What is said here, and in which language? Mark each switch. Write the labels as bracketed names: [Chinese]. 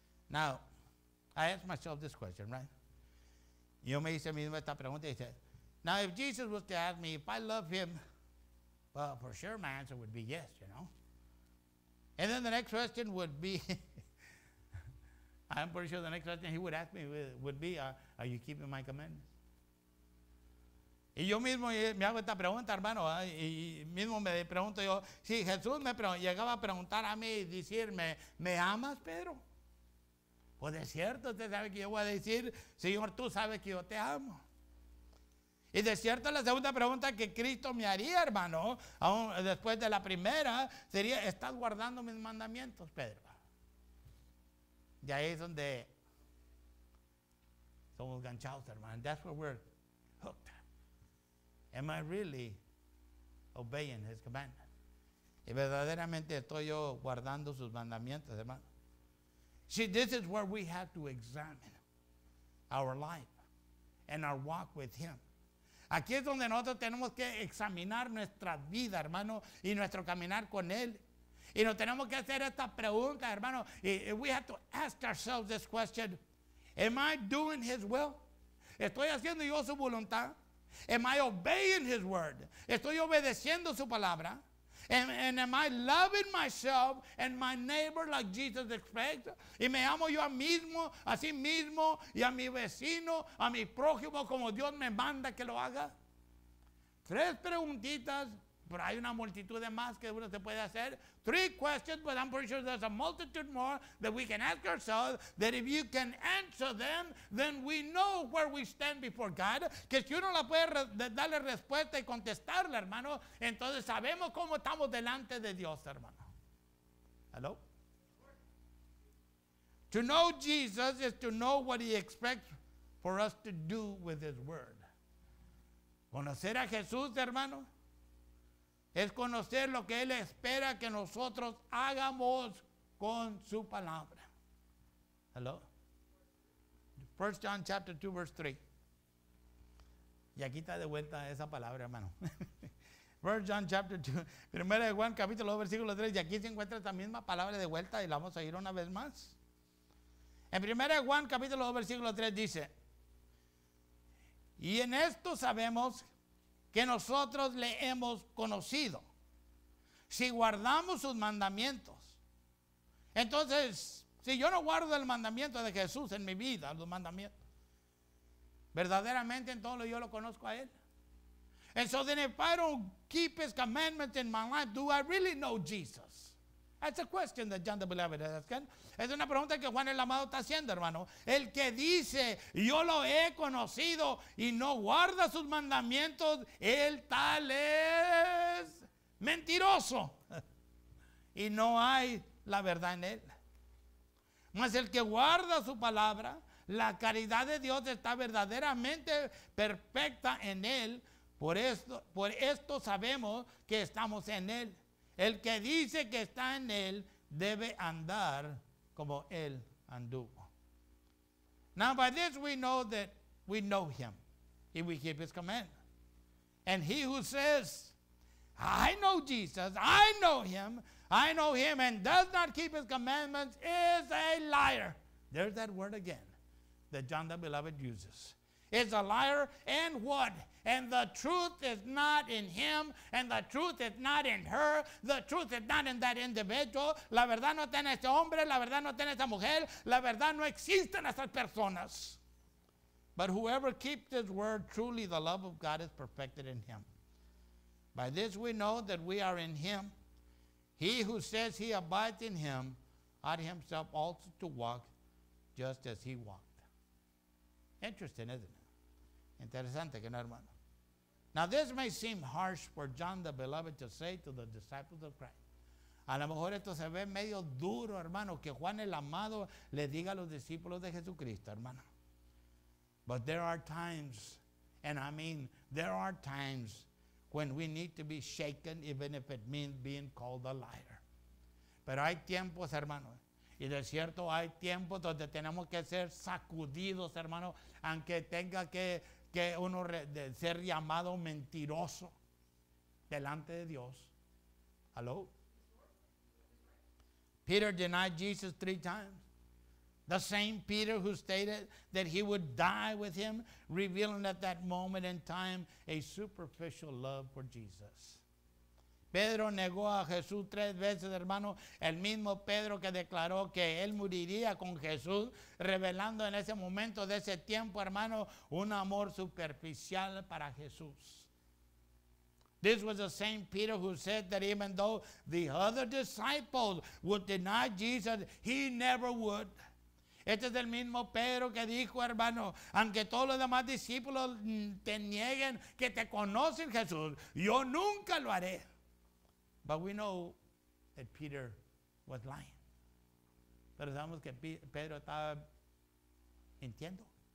[English] Now, I ask myself this question, right? [Spanish] Yo me hice mismo esta pregunta y dice, [English] now if Jesus was to ask me if I love him, well, for sure my answer would be yes, you know. And then the next question would be, I'm pretty sure the next question he would ask me would be, are you keeping my commandments? [Spanish] Y yo mismo me hago esta pregunta, hermano, y mismo me pregunto yo, si Jesús me llegaba a preguntar a mí y decirme, ¿me amas, Pedro? Pues de cierto, usted sabe que yo voy a decir, Señor, tú sabes que yo te amo. Y de cierto, la segunda pregunta que Cristo me haría, hermano, aún después de la primera, sería, ¿estás guardando mis mandamientos, Pedro? De ahí es donde somos ganchados, hermano. [English] That's where we're hooked. Am I really obeying his commandments? [Spanish] Y verdaderamente estoy yo guardando sus mandamientos, hermano. [English] See, this is where we have to examine our life and our walk with him. [Spanish] Aquí es donde nosotros tenemos que examinar nuestra vida, hermano, y nuestro caminar con él. Y nos tenemos que hacer esta pregunta, hermano. [English] We have to ask ourselves this question. Am I doing his will? [Spanish] ¿Estoy haciendo yo su voluntad? [English] Am I obeying his word? [Spanish] ¿Estoy obedeciendo su palabra? [English] And am I loving myself and my neighbor like Jesus expects? [Spanish] ¿Y me amo yo a mismo, a sí mismo, y a mi vecino, a mi prójimo, como Dios me manda que lo haga? Tres preguntitas. Pero hay una multitud de más que uno se puede hacer. [English] Three questions, but I'm pretty sure there's a multitude more that we can ask ourselves, that if you can answer them, then we know where we stand before God. [Spanish] Que si uno la puede darle respuesta y contestarle, hermano, entonces sabemos cómo estamos delante de Dios, hermano. [English] Hello? To know Jesus is to know what he expects for us to do with his word. [Spanish] Conocer a Jesús, hermano, es conocer lo que Él espera que nosotros hagamos con su palabra. [English] Hello. 1 John chapter 2, verse 3. [Spanish] Y aquí está de vuelta esa palabra, hermano. [English] 1 John chapter 2, [Spanish] 1 Juan capítulo 2, versículo 3. Y aquí se encuentra esta misma palabra de vuelta y la vamos a ir una vez más. En 1 Juan capítulo 2, versículo 3 dice, y en esto sabemos que nosotros le hemos conocido, si guardamos sus mandamientos. Entonces, si yo no guardo el mandamiento de Jesús en mi vida, los mandamientos, verdaderamente entonces yo lo conozco a él. [English] And so then if I don't keep his commandments in my life, do I really know Jesus? That's a question that John the Beloved is asking. [Spanish] Es una pregunta que Juan el Amado está haciendo, hermano. El que dice, yo lo he conocido y no guarda sus mandamientos, el tal es mentiroso. Y no hay la verdad en él. Mas el que guarda su palabra, la caridad de Dios está verdaderamente perfecta en él. Por esto sabemos que estamos en él. El que dice que está en él debe andar como él anduvo. [English] Now by this we know that we know him if we keep his command. And he who says, I know Jesus, I know him and does not keep his commandments is a liar. There's that word again that John the Beloved uses. It's a liar and what? And the truth is not in him, and the truth is not in her, the truth is not in that individual. [Spanish] La verdad no está en ese hombre, la verdad no está en esa mujer, la verdad no existe en esas personas. [English] But whoever keeps his word, truly the love of God is perfected in him. By this we know that we are in him. He who says he abides in him ought himself also to walk just as he walked. Interesting, isn't it? [Spanish] Interesante, ¿no, hermano? [English] Now this may seem harsh for John the Beloved to say to the disciples of Christ. [Spanish] A lo mejor esto se ve medio duro, hermano, que Juan el Amado le diga a los discípulos de Jesucristo, hermano. [English] But there are times, and I mean, there are times when we need to be shaken, even if it means being called a liar. [Spanish] Pero hay tiempos, hermano. Y de cierto, hay tiempos donde tenemos que ser sacudidos, hermano, aunque tenga que uno ser llamado mentiroso delante de Dios. [English] Hello? Peter denied Jesus 3 times. The same Peter who stated that he would die with him, revealing at that moment in time a superficial love for Jesus. [Spanish] Pedro negó a Jesús tres veces, hermano. El mismo Pedro que declaró que él moriría con Jesús, revelando en ese momento de ese tiempo, hermano, un amor superficial para Jesús. [English] This was the same Peter who said that even though the other disciples would deny Jesus, he never would. [Spanish] Este es el mismo Pedro que dijo, hermano, aunque todos los demás discípulos te nieguen que te conocen Jesús, yo nunca lo haré. [English] But we know that Peter was lying. [Spanish] Pero sabemos que Pedro estaba mintiendo.